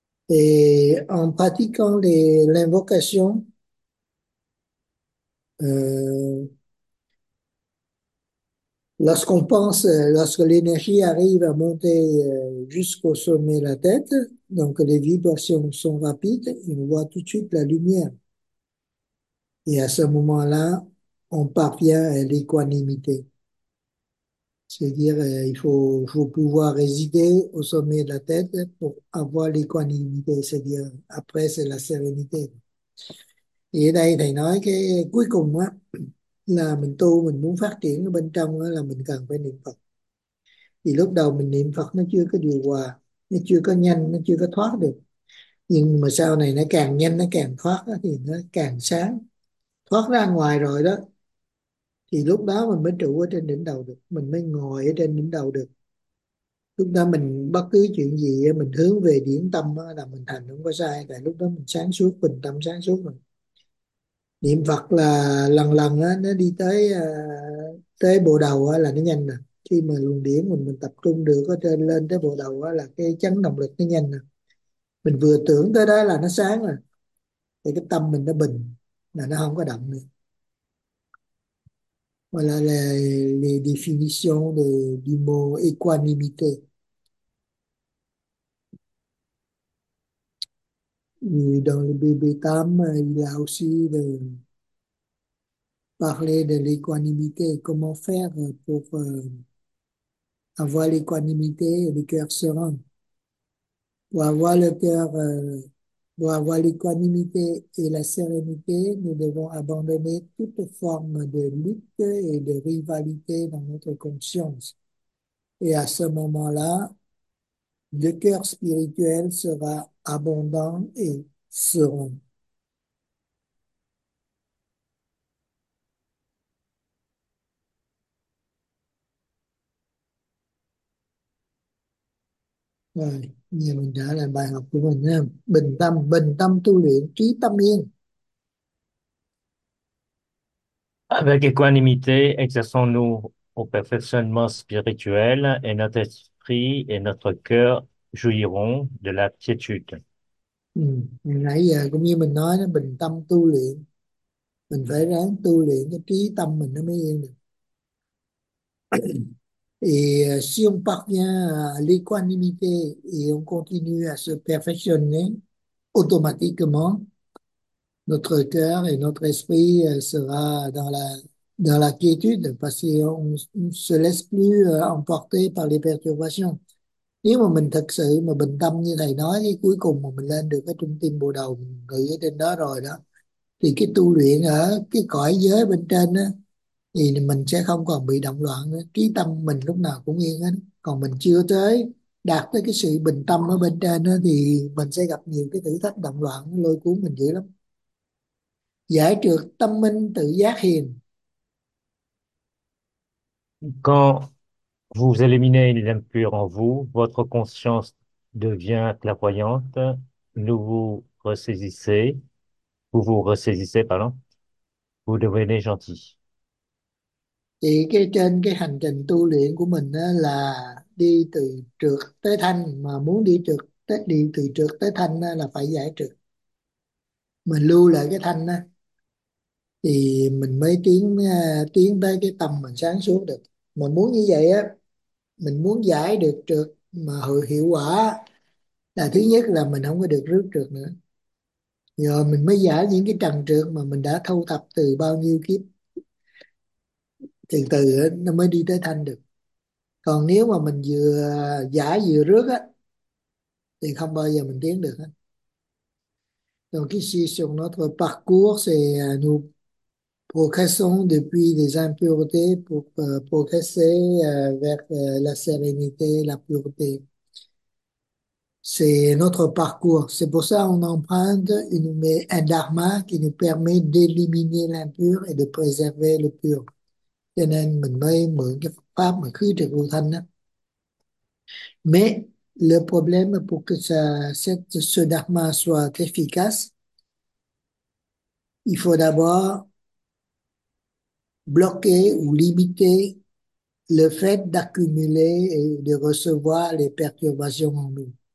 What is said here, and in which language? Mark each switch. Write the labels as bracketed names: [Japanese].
[French] Et en pratiquant l'invocation, lorsque l'énergie arrive à monter jusqu'au sommet de la tête, donc les vibrations sont rapides, on voit tout de suite la lumière. Et à ce moment-là, on parvient à l'équanimité. C'est-à-dire, il faut pouvoir résider au sommet de la tête pour avoir l'équanimité. C'est-à-dire, après, c'est la sérénité. Et là, il y a [Vietnamese] cuối cùng, là mình tu, mình muốn phát triển bên trong, là mình cần phải niệm Phật. Thì lúc đầu mình niệm Phật, nó chưa có điều hòa, nó chưa có nhanh, nó chưa có thoát được. Nhưng mà sau này, nó càng nhanh, nó càng thoát, thì nó càng sáng. Thoát ra ngoài rồi đó, thì lúc đó mình mới trụ ở trên đỉnh đầu được, mình mới ngồi ở trên đỉnh đầu được. Lúc đó mình bất cứ chuyện gì mình hướng về điển tâm là mình thành, không có sai. Tại lúc đó mình sáng suốt, bình tâm sáng suốt rồi. Niệm Phật là lần lần nó đi tới tới bộ đầu là nó nhanh nè. Khi mà luồng điển mình tập trung được ở trên lên tới bộ đầu là cái chấn động lực nó nhanh nè. Mình vừa tưởng tới đó là nó sáng rồi, thì cái tâm mình nó bình, là nó không có động nữa. [French] Voilà les définitions du mot équanimité. Et dans le bébé Tam, il a aussi parlé de l'équanimité. Comment faire pour avoir l'équanimité et le cœur serein? Pour avoir le cœur pour avoir l'équanimité et la sérénité, nous devons abandonner toute forme de lutte et de rivalité dans notre conscience. Et à ce moment-là, le cœur spirituel sera abondant et serein. [Vietnamese] Rồi, giờ mình trả lại bài học của mình nha. Bình tâm tu luyện trí tâm yên. [French] Avec équanimité, exerçons-nous au perfectionnement spirituel et notre esprit et notre cœur jouiront de la quiétude. [Vietnamese] Nãy giờ cũng như mình nói đó, bình tâm tu luyện, mình phải ráng tu luyện cái trí tâm mình nó mới yên được. [French] Et si on parvient à l'équanimité et on continue à se perfectionner, automatiquement, notre cœur et notre esprit sera dans la quiétude parce qu'on ne se laisse plus emporter par les perturbations. [Vietnamese] Nếu mà mình thật sự mà bình tâm như thầy nói, cái cuối cùng mà mình lên được cái trung tâm Bồ Đề ngự ở trên đó rồi đó, thì cái tu luyện ở cái cõi giới bên trên đó, thì mình sẽ không còn bị động loạn nữa. Trí tâm mình lúc nào cũng yên hết. Còn mình chưa tới đạt tới cái sự bình tâm ở bên trên đó, thì mình sẽ gặp nhiều cái thử thách động loạn lôi cuốn mình dữ lắm. Giải trược tâm minh tự giác hiền. [French] Quand vous éliminez l'impur en vous, votre conscience devient clairvoyante, vous vous ressaisissez, pardon, vous devenez gentil. [Vietnamese] Thì cái trên cái hành trình tu luyện của mình đó là đi từ trược tới thanh, mà muốn đi trượt tới đi từ trượt tới thanh là phải giải trượt, mình lưu lại cái thanh đó, thì mình mới tiến tới cái tâm mình sáng suốt được. Mà muốn như vậy á, mình muốn giải được trượt mà hiệu quả là thứ nhất là mình không có được rước trượt nữa, rồi mình mới giải những cái trần trượt mà mình đã thu thập từ bao nhiêu kiếp, từ từ nó mới đi tới thanh được. Còn nếu mà mình vừa giải vừa rước á thì không bao giờ mình tiến được hết. [French] Donc ici sur notre parcours c'est nous progressons depuis des impuretés pour progresser vers la sérénité, la pureté. C'est notre parcours. C'est pour ça qu'on emprunte un dharma qui nous permet d'éliminer l'impur et de préserver le pur. [Vietnamese] Cho nên mình mới mượn cái pháp mà khứ trực lưu thanh đó. [French] Mais le problème pour que ce dharma soit efficace, il faut d'abord bloquer ou limiter le fait d'accumuler et de recevoir les perturbations en nous.